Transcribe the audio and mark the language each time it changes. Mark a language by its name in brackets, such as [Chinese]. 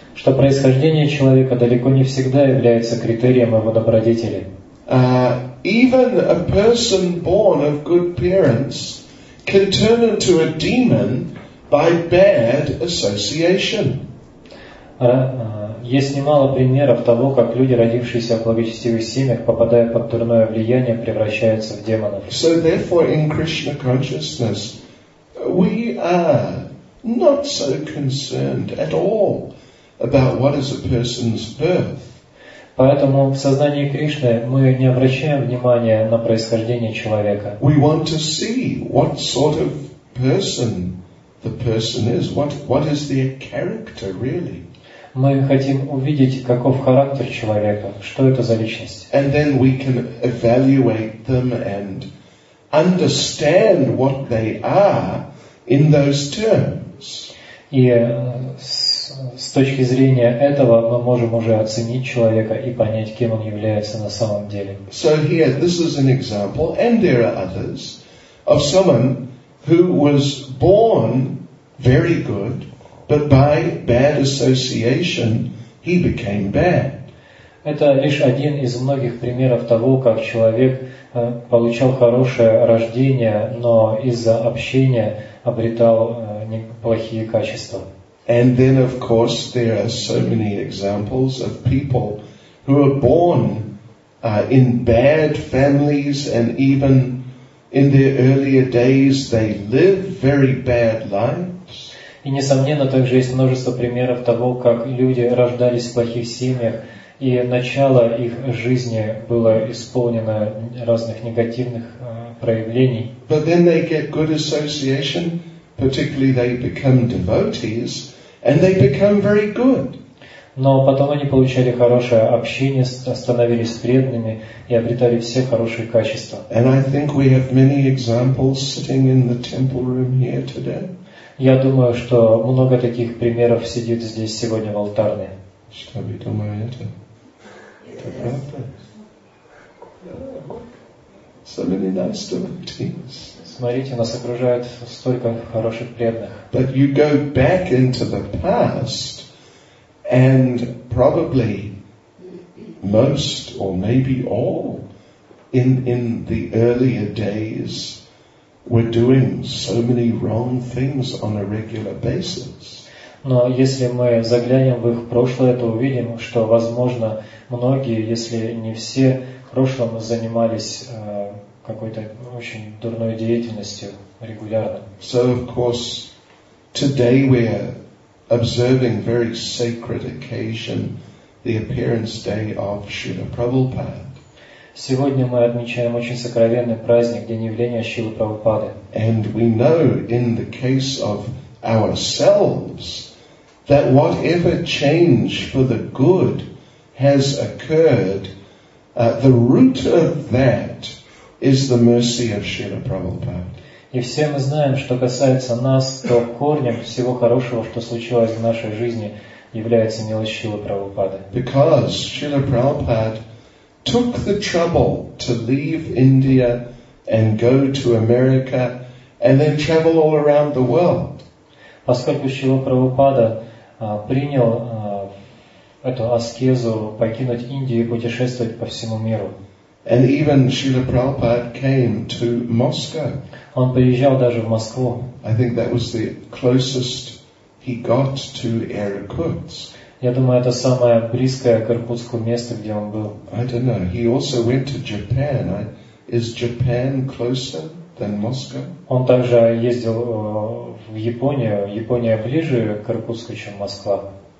[Russian] Что происхождение человека далеко не всегда является критерием его добродетели. [English] Even a person born of good parents can turn into a demon by bad association. [Russian] Есть немало примеров того, как люди, родившиеся в благочестивых семьях, попадая под дурное влияние, превращаются в демонов. [English] So therefore, in Krishna consciousness, we are not so concerned at all about what is a person's birth. [Russian] Поэтому в сознании Кришны мы не обращаем внимания на происхождение человека. [English] We want to see what sort of person the person is. What is their character really? [Russian] Мы хотим увидеть, каков характер человека, что это за личность. [English] And then we can evaluate them and understand what they are in those terms. [Russian] И с точки зрения этого мы можем уже оценить человека и понять, кем он является на самом деле. [English] So here, this is an example, and there are others, of someone who was born very good, but by bad association, he became bad. [Russian] Это лишь один из многих примеров того, как человек получал хорошее рождение, но из-за общения обретал неплохие качества. [English] And then, of course, there are so many examples of people who are born in bad families, and even in their earlier days, they live very bad lives. [Russian] И, несомненно, также есть множество примеров того, как люди рождались в плохих семьях, и начало их жизни было исполнено разных негативных проявлений. [English] But then they get good association, particularly they become devotees, and they become very good. [Russian] Но потом они получали хорошее общение, становились преданными и обретали все хорошие качества. [English] And I think we have many examples sitting in the temple room here today. [Russian] Я думаю, что много таких примеров сидит здесь сегодня в алтарне. Что вы думаете? [English] So many nice devotees. [Russian] Смотрите, нас окружает столько хороших преданных. [English] But you go back into the past, and probably most, or maybe all, in the earlier days, were doing so many wrong things on a regular basis. [Russian] Но если мы заглянем в их прошлое, то увидим, что, возможно, многие, если не все, в прошлом занимались какой-то очень дурной деятельностью регулярно. [English] So, of course, today we are observing very sacred occasion, the appearance day of Srila Prabhupada. [Russian] Сегодня мы отмечаем очень сокровенный праздник, день явления Шрилы Прабхупады. [English] And we know in the case of ourselves, that whatever change for the good has occurred, the root of that is the mercy of Srila Prabhupada. [Russian] И все мы знаем, что касается нас, то корнем всего хорошего, что случилось в нашей жизни, является милость Шрилы Прабхупады. [English] Because Srila Prabhupada took the trouble to leave India and go to America and then travel all around the world. [Russian] Поскольку Шрила Прабхупада принял эту аскезу покинуть Индию и путешествовать по всему миру. [English] And even Srila Prabhupada came to Moscow. [Russian] Он приезжал даже в Москву. [English] I think that was the closest he got to Air Irkutsk. [Russian] Я думаю, это самое близкое к Иркутску место, где он был. [English] I don't know. He also went to Japan. Is Japan closer than Moscow? [Russian] Он также ездил в Японию. Япония ближе к Иркутску, чем Москва.